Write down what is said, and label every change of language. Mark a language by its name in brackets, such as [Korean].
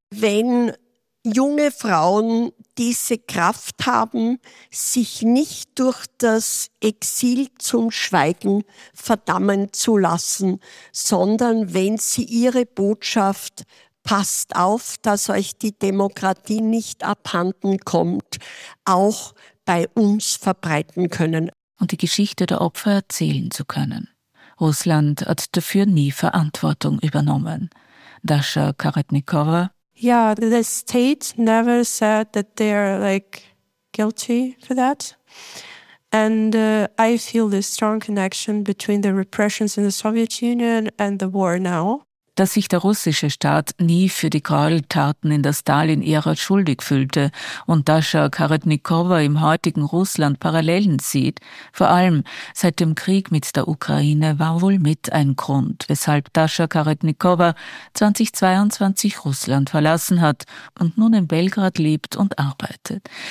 [German] Wenn junge Frauen diese Kraft haben, sich nicht durch das Exil zum Schweigen verdammen zu lassen, sondern wenn sie ihre Botschaft, passt auf, dass euch die Demokratie nicht abhanden kommt, auch bei uns verbreiten können. Und die Geschichte der Opfer erzählen zu können. Russland hat dafür nie Verantwortung übernommen. Dascha Karibnikova. [English] Yeah, the state never said that they are like guilty for that. And I feel this strong connection between the repressions in the Soviet Union and the war now. [German] dass sich der russische Staat nie für die Gräueltaten in der Stalin-Ära schuldig fühlte und Dascha Karetnikova im heutigen Russland Parallelen sieht, vor allem seit dem Krieg mit der Ukraine, war wohl mit ein Grund, weshalb Dascha Karetnikova 2022 Russland verlassen hat und nun in Belgrad lebt und arbeitet.